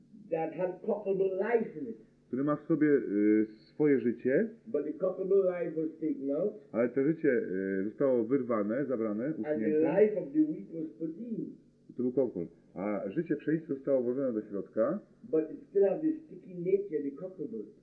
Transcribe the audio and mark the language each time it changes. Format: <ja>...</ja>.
<en>That had corruptible life in it.</en> <pl>Który ma w sobie swoje życie.</pl> <en>But the corruptible life was taken out.</en> <pl>Ale to życie zostało wyrwane, zabrane, usunięte.</pl> <en>And the life of the wheat was put in.</en> <pl>To był kokol. A życie pszenicy zostało włożone do środka.</pl> <en>But it still had the sticky nature, the corruptible.</en>